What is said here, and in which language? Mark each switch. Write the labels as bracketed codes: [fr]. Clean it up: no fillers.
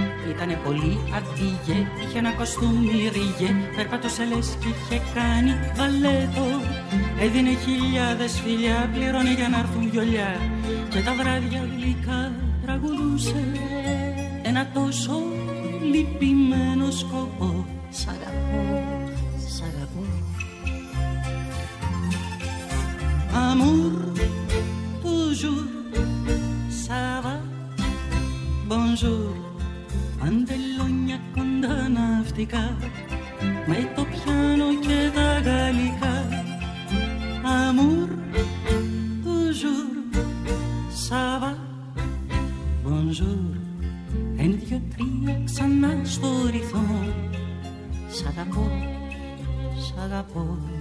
[el] Ήτανε πολύ αντίγε, είχε ένα κοστούμι ριγέ, περπατούσε λες κι είχε κάνει βαλέτο. Έδινε χιλιάδες φιλιά, πληρώνει για να έρθουν γιολιά, και τα βράδια γλυκά τραγουδούσε. Ένα τόσο λυπημένο σκοπό, σ' αγαπώ, σ' αγαπώ. [fr] Amour, toujours, ça va, bonjour. [el] Παντελόνια κοντά ναυτικά, με το πιάνο και τα γαλλικά. [fr] Amour, toujours, ça va, bonjour. [el] Εν δυο τρία ξανά στο ρυθμό, σ' αγαπώ, σ' αγαπώ.